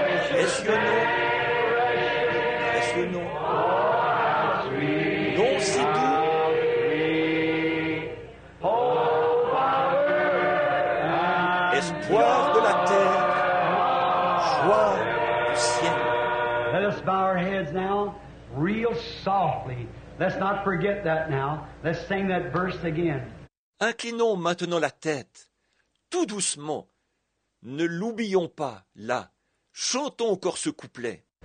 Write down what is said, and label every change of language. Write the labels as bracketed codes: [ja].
[fr] Précieux nom, précieux nom. Non, si doux. Espoir de la terre, joie du ciel. [en] Let us bow our heads now. Real softly. Let's not forget that now. Let's sing that verse again. [fr] Inclinons maintenant la tête, tout doucement. Ne l'oublions pas, là. Chantons encore ce couplet.